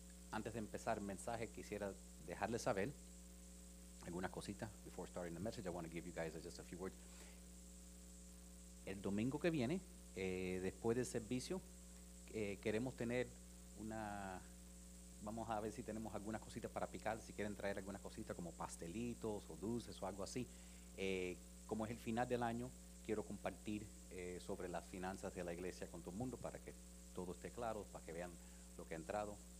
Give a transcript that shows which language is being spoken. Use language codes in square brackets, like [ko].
[es] Antes de empezar el mensaje, quisiera dejarles saber alguna cosita. [en] Before starting the message, I want to give you guys just a few words. [es] El domingo que viene, después del servicio, queremos tener una... Vamos a ver si tenemos algunas cositas para picar, si quieren traer algunas cositas como pastelitos o dulces o algo así. Como es el final del año, quiero compartir sobre las finanzas de la iglesia con todo el mundo para que todo esté claro, para que vean lo que ha entrado.